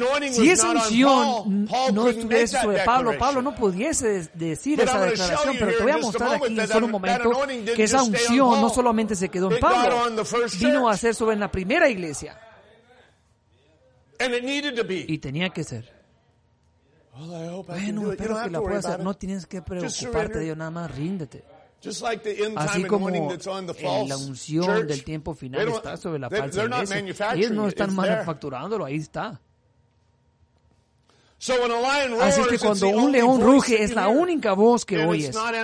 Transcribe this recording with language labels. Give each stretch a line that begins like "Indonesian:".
Spanish: Si esa unción no estuviese sobre Pablo no pudiese decir esa declaración, pero te voy a mostrar aquí en solo un momento que esa unción no solamente se quedó en Pablo, vino a ser sobre la primera iglesia. Y tenía que ser. Bueno, espero que la pueda hacer. No tienes que preocuparte de ello, nada más ríndete.
English: Just like the end time anointing that's on the false
Spanish: la unción
English: church,
Spanish: del tiempo final está sobre la falsa iglesia. Ellos no están manufacturándolo, ahí está.
English: So when a lion roars,
Spanish: así que cuando un león ruge, es la única voz que oyes.